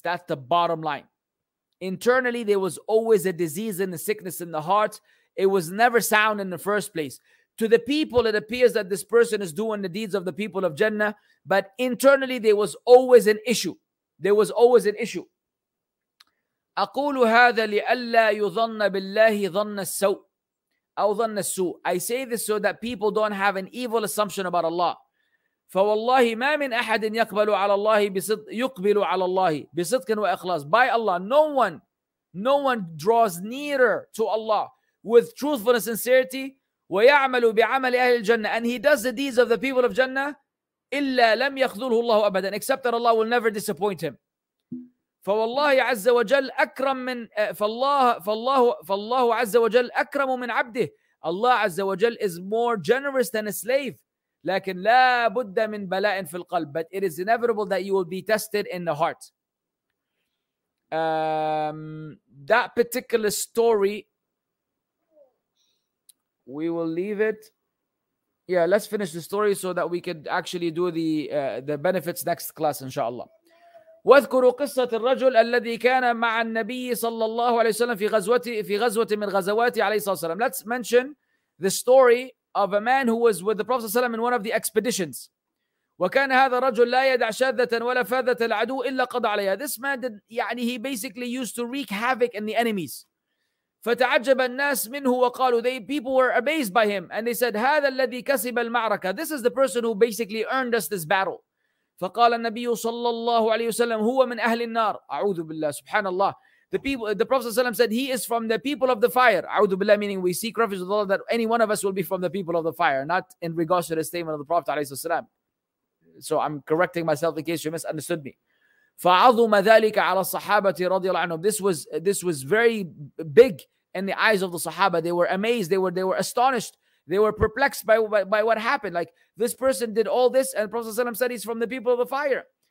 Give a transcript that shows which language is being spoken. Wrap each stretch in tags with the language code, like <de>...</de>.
<en>That's the bottom line. Internally, there was always a disease and a sickness in the heart. It was never sound in the first place. To the people, it appears that this person is doing the deeds of the people of Jannah, but internally, there was always an issue. There was always an issue.</en> <ar>أقول هذا لألا يظن بالله ظن السوء.</ar> <en>I say this so that people don't have an evil assumption about Allah.</en> <ar>فَوَاللَّهِ مَا مِنْ أَحَدٍ يَقْبَلُ عَلَى اللَّهِ يُقْبِلُ عَلَى اللَّهِ بِصِدْقٍ وَإِخْلَاصٍ.</ar> <en>By Allah, no one draws nearer to Allah with truthfulness and sincerity.</en> <ar>وَيَعْمَلُ بِعَمَلِ أَهْلِ الْجَنَّةِ.</ar> <en>And he does the deeds of the people of Jannah.</en> <ar>إِلَّا لَمْ يَخْذُلْهُ اللَّهُ أَبَدًا.</ar> <en>Except that Allah will never disappoint him.</en> <ar>فوالله عز وجل أكرم من فالله فالله فالله عز وجل أكرم من عبده.</ar> <en>الله عز وجل is more generous than a slave.</en> <ar>لكن لا بد من بلاء في القلب.</ar> <en>But it is inevitable that you will be tested in the heart. That particular story, we will leave it. Yeah, let's finish the story so that we could actually do the benefits next class, inshallah.</en> <ar>واذكروا قصة الرجل الذي كان مع النبي صلى الله عليه وسلم في غزوة من غزوات عليه الصلاة والسلام.</ar> <en>Let's mention the story of a man who was with the Prophet صلى الله عليه وسلم in one of the expeditions.</en> <ar>وكان هذا الرجل لا يدع شاذة ولا فاذة العدو إلا قضى عليها.</ar> <en>This man did, يعني he basically used to wreak havoc in the enemies.</en> <ar>فتعجب الناس منه وقالوا,</ar> <en>they people were amazed by him and they said,</en> <ar>هذا الذي كسب المعركة.</ar> <en>This is the person who basically earned us this battle.</en> <ar>فقال النبي صلى الله عليه وسلم هو من أهل النار. أعوذ بالله. سبحان الله.</ar> <en>The Prophet صلى الله عليه وسلم said he is from the people of the fire.</en> <ar>أعوذ بالله,</ar> <en>meaning we seek refuge with Allah that any one of us will be from the people of the fire, not in regards to the statement of the Prophet عليه السلام. So I'm correcting myself in case you misunderstood me.</en> <ar>فعظم ذلك على الصحابة رضي الله عنهم.</ar> <en>This was very big in the eyes of the Sahaba. They were amazed. They were astonished. They were perplexed by what happened. Like, this person did all this, and Prophet ﷺ said he's from the people of the fire.</en>